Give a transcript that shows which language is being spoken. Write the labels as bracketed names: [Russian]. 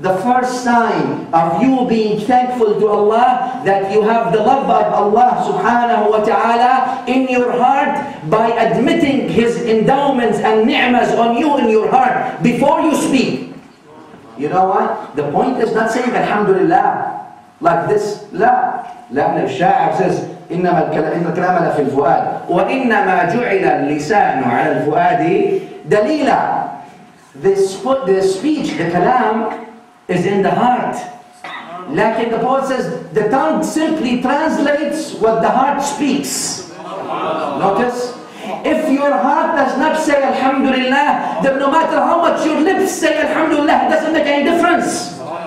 [English] The first sign of you being thankful to Allah that you have the love of Allah subhanahu wa ta'ala in your heart by admitting His endowments and ni'mas on you in your heart before you speak. You know what? The point is not saying alhamdulillah like this. La. [Arabic] لأن الشاعر [English] says [Arabic] إنما الكلام على في الفؤاد وإنما جعل اللسان على الفؤاد دليلا. [English] The speech, the kalam is in the heart. Like the poet says, the tongue simply translates what the heart speaks. Notice, if your heart does not say alhamdulillah, then no matter how much your lips say alhamdulillah, it doesn't make any difference.